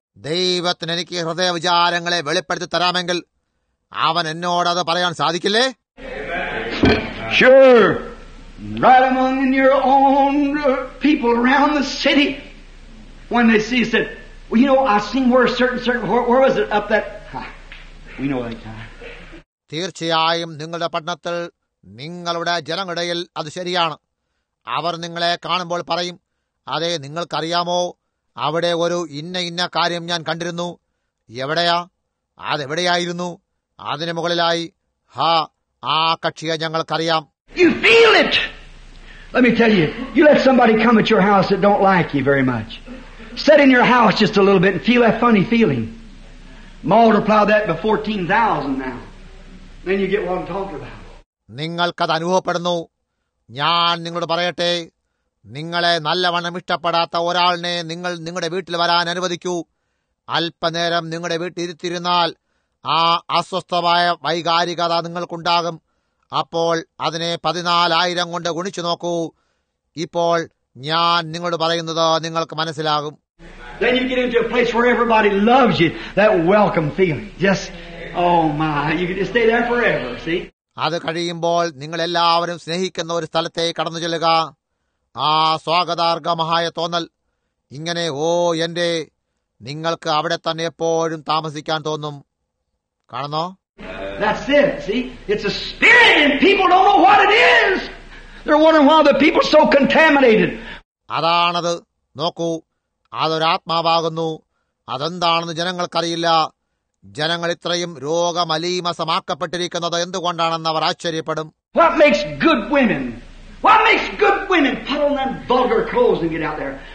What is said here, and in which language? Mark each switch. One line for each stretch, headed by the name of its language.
Malayalam: ദൈവത്തിന് എനിക്ക് ഹൃദയ വിചാരങ്ങളെ വെളിപ്പെടുത്തി തരാമെങ്കിൽ അവൻ എന്നോട് അത് പറയാൻ സാധിക്കില്ലേ?
English: Sure. Right among your own people around the city. When they see, said, well, you know, I've seen where a certain, where was it up that, we know that
Malayalam: തീർച്ചയായും നിങ്ങളുടെ പഠനത്തിൽ നിങ്ങളുടെ ജനങ്ങളിടയിൽ അത് ശരിയാണ്. അവർ നിങ്ങളെ കാണുമ്പോൾ പറയും, അതെ, നിങ്ങൾക്കറിയാമോ, അവിടെ ഒരു ഇന്ന ഇന്ന കാര്യം ഞാൻ കണ്ടിരുന്നു. എവിടെയാ? അതെവിടെയായിരുന്നു? അതിനു മുകളിലായി. ഹാ, ആ കക്ഷിയെ ഞങ്ങൾക്കറിയാം.
English: You feel it. Let me tell you, you let somebody come at your house that don't like you very much. Sit in your house just a little bit and feel that funny feeling. Multiply that by 14,000 now. Then you get what I'm talking about.
Malayalam: നിങ്ങൾക്കത് അനുഭവപ്പെടുന്നു. ഞാൻ നിങ്ങളോട് പറയട്ടെ, നിങ്ങളെ നല്ലവണ്ണം ഇഷ്ടപ്പെടാത്ത ഒരാളിനെ നിങ്ങൾ നിങ്ങളുടെ വീട്ടിൽ വരാൻ അനുവദിക്കൂ. അല്പനേരം നിങ്ങളുടെ വീട്ടിലിരുത്തിയിരുന്നാൽ ആ അസ്വസ്ഥമായ വൈകാരികത നിങ്ങൾക്കുണ്ടാകും. അപ്പോൾ അതിനെ 14,000 കൊണ്ട് ഗുണിച്ചു നോക്കൂ. ഇപ്പോൾ ഞാൻ നിങ്ങളോട് പറയുന്നത് നിങ്ങൾക്ക് മനസ്സിലാകും.
English: Then you get into a place where everybody loves you. That welcome feeling. Just, oh my, you can just stay there forever, see?
Malayalam: അത് കഴിയുമ്പോൾ നിങ്ങളെല്ലാവരും സ്നേഹിക്കുന്ന ഒരു സ്ഥലത്തെ കടന്നു ചെല്ലുക. ആ സ്വാഗതാർഹമായ തോന്നൽ, ഇങ്ങനെ ഓ എന്റെ, നിങ്ങൾക്ക് അവിടെ തന്നെ എപ്പോഴും താമസിക്കാൻ തോന്നും. കാണുന്നോ?
English: That's it. See, it's a spirit and people don't know what it is. They're wondering why the people are so contaminated.
Malayalam: അതാണത്. നോക്കൂ, അതൊരാത്മാവാകുന്നു. അതെന്താണെന്ന് ജനങ്ങൾക്കറിയില്ല. ജനങ്ങൾ ഇത്രയും രോഗമലീമസമാക്കപ്പെട്ടിരിക്കുന്നത് എന്തുകൊണ്ടാണെന്ന് അവർ ആശ്ചര്യപ്പെടും.
English: What makes good women? What makes good women put on that vulgar clothes and get out there?